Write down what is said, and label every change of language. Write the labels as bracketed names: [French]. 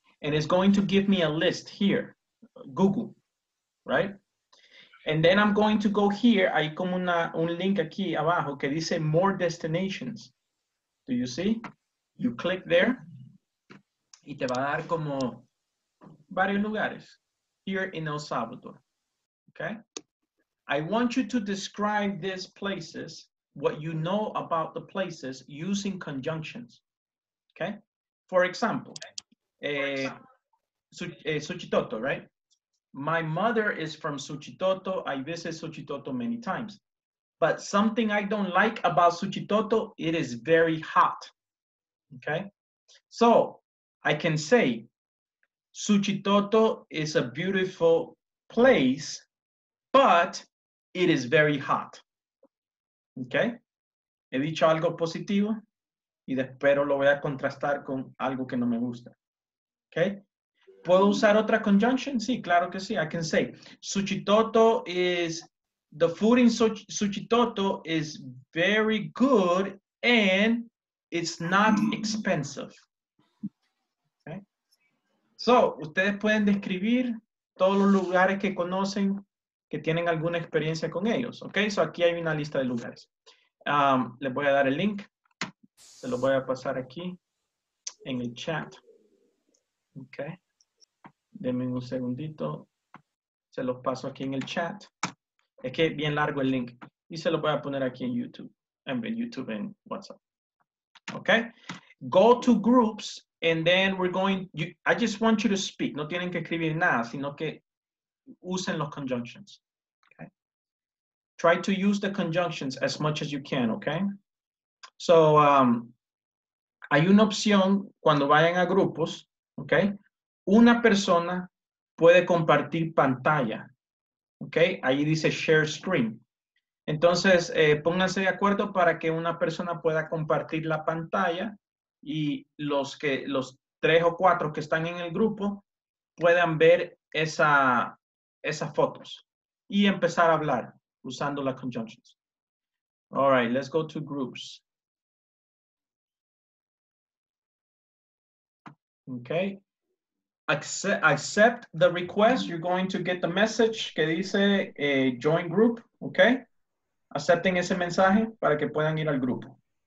[English] And it's going to give me a list here. Google. Right? And then I'm going to go here. [Spanish] Hay como un link aquí abajo que dice [English] more destinations. Do you see? You click there. [Spanish] Y te va a dar como varios lugares. [English] Here in El Salvador. Okay? I want you to describe these places, what you know about the places using conjunctions. Okay? For example, Suchitoto, right? My mother is from Suchitoto. I visit Suchitoto many times. But something I don't like about Suchitoto, it is very hot. Okay? So I can say Suchitoto is a beautiful place, but it is very hot. Okay? [Spanish] He dicho algo positivo. Y después lo voy a contrastar con algo que no me gusta. Okay? ¿Puedo usar otra conjunction? Sí, claro que sí. I can say, Suchitoto is, the food in Suchitoto is very good and it's not expensive. Okay? So, ustedes pueden describir todos los lugares que conocen, que tienen alguna experiencia con ellos. Okay? So, aquí hay una lista de lugares. Les voy a dar el link. Se lo voy a pasar aquí. en el chat. Okay. Denme un segundito. Se los paso aquí en el chat. Es que es bien largo el link. Y se lo voy a poner aquí en YouTube. En YouTube en WhatsApp. [English] Okay. Go to groups and then we're going. I just want you to speak. [Spanish] No tienen que escribir nada, sino que usen los conjunctions. [English] Okay. Try to use the conjunctions as much as you can. Okay. [Spanish] So, hay una opción cuando vayan a grupos. Okay. Una persona puede compartir pantalla. Okay. Ahí dice [English] share screen. [Spanish] Entonces, pónganse de acuerdo para que una persona pueda compartir la pantalla y los tres o cuatro que están en el grupo puedan ver esas fotos y empezar a hablar usando las conjunctions. [English] All right, let's go to groups. Okay. Accept the request. You're going to get the message [Spanish] que dice [English] join group. Okay. [Spanish] Acepten ese mensaje para que puedan ir al grupo.